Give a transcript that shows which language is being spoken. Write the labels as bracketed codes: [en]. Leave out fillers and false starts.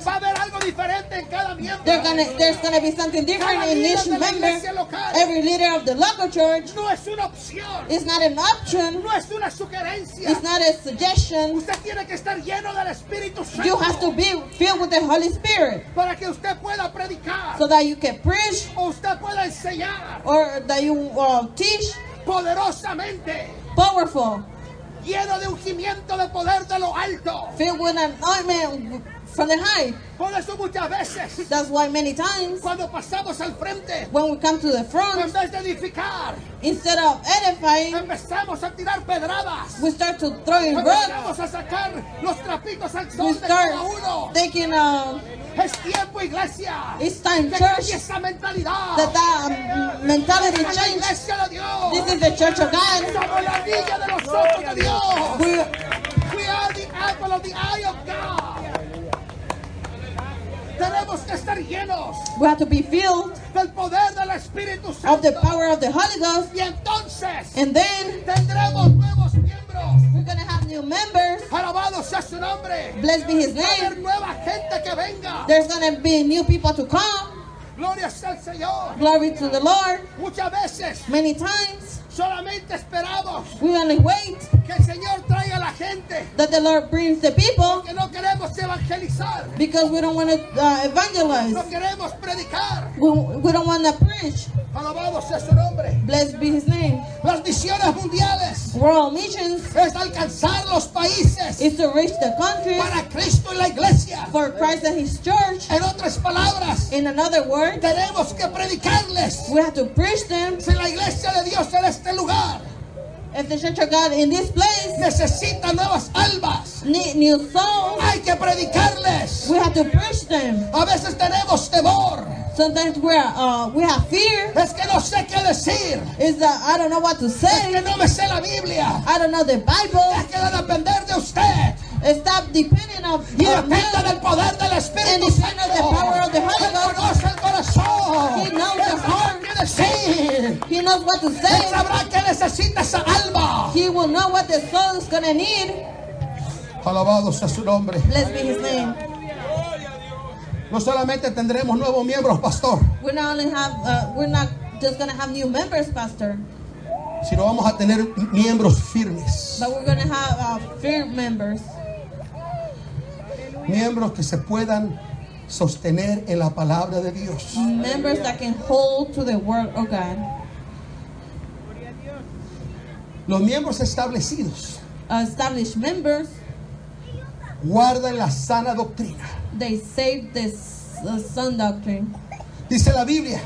[es] Va a haber algo diferente en cada miembro. [en] There's going to be something different in each member. Every leader of the local church. [es] No es una opción. [en] It's not an option. [es] No es una sugerencia. [en] It's not a suggestion. [es] Usted tiene que estar lleno del Espíritu Santo. [en] You have to be filled with the Holy Spirit. [es] Para que usted pueda predicar, [en] so that you can preach. [es] O usted pueda enseñar, [en] or that you teach. [es] Poderosamente, [en] powerful. [es] Lleno de ungimiento de poder de lo alto. [en] Filled with an ointment from the high. [es] Por eso muchas veces, [en] that's why many times. [es] Cuando pasamos al frente, [en] when we come to the front. [es] En vez de edificar, [en] instead of edifying. [es] Empezamos a tirar pedradas, [en] we start to throw in rocks. [es] Empezamos a sacar los trapitos al sol. [en] We start [es] de cada uno. [en] Taking a. [es] Es tiempo, iglesia. [en] It's time, church. [es] Esa mentalidad. [en] That mentality change. This is the church of God. [es] Somos la niña de los ojos de Dios. [en] We are the apple of the eye of God. [es] Tenemos que estar llenos. [en] We have to be filled [es] del poder del Espíritu Santo. [en] Of the power of the Holy Ghost. [es] Y entonces, [en] and then [es] tendremos nuevos miembros. [en] We're going to have new members. [es] Alabado sea su nombre. [en] Blessed be his name. [es] Va a haber nueva gente que venga. [en] There's going to be new people to come. [es] Gloria sea al Señor. [en] Glory to the Lord. [es] Muchas veces, [en] many times [es] Solamente esperamos. [en] We only wait. [es] Que el Señor traiga la gente. [en] That the Lord brings the people. [es] Porque no queremos evangelizar. [en] Because we don't want to evangelize. [es] No queremos predicar. [en] We don't want to preach. [es] Alabado sea su nombre. [en] Blessed be his name. [es] Las misiones mundiales. [en] World missions. [es] Es alcanzar los países. [en] Is to reach the countries. [es] Para Cristo y la iglesia. [en] For Christ and his church. [es] En otras palabras. [en] In another word. [es] Tenemos que predicarles. [en] We have to preach them. [es] Si la iglesia de Dios en este lugar. [en] If the church of God in this place [es] necesita nuevas almas, [en] need new souls, [es] hay que predicarles. [en] We have to preach them. [es] A veces tenemos temor. [en] Sometimes we have fear. [es] Es que no sé qué decir. [en] Is that I don't know what to say. [es] Es que no me sé la Biblia. [en] I don't know the Bible. [es] Es que no depender de usted. [en] Stop depending on you. [es] Depende del poder del Espíritu [en] and [es] Santo. [en] The power of the Holy Ghost. [es] El corazón. [en] He knows the heart. [es] Sí. [en] He knows what to say. [es] Él sabrá que necesita esa alma. [en] He will know what the soul is gonna need. [es] Alabado sea su nombre. [en] Blessed be his name. [es] No solamente tendremos nuevos miembros, pastor. [en] We're not just gonna have new members, pastor. [es] Sino vamos a tener miembros firmes. [en] But we're gonna have firm members. [es] Miembros que se puedan sostener en la palabra de Dios. [en] Members that can hold to the word of God. [es] Los miembros establecidos. [en] Established members. [es] Guardan la sana doctrina. [en] They save this sound doctrine. [es] Dice la Biblia.